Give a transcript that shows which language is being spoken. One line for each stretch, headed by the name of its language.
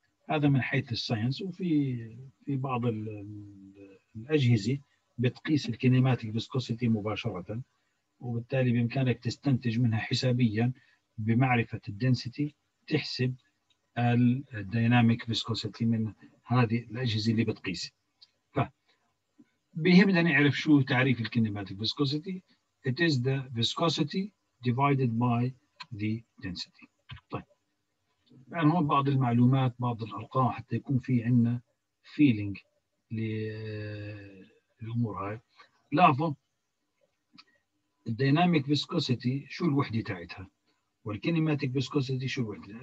Arabic: هذا من حيث الساينس. وفي بعض الأجهزة بتقيس الكينيماتيك فيسكوسيتي مباشرة، وبالتالي بإمكانك تستنتج منها حسابيا بمعرفة الدنسيتي تحسب الديناميك فيسكوسيتي من هذه الأجهزة اللي بتقيس. فبيهمنا نعرف شو تعريف الكينيماتيك فيسكوسيتي.
English: It is the viscosity divided by the density.
Arabic: يعني هون بعض المعلومات بعض الأرقام حتى يكون في عندنا feeling للأمور هاي. لاحظوا الديناميك فيسكوسيتي شو الوحدة تاعتها، والكينيماتيك فيسكوسيتي شو الوحدة.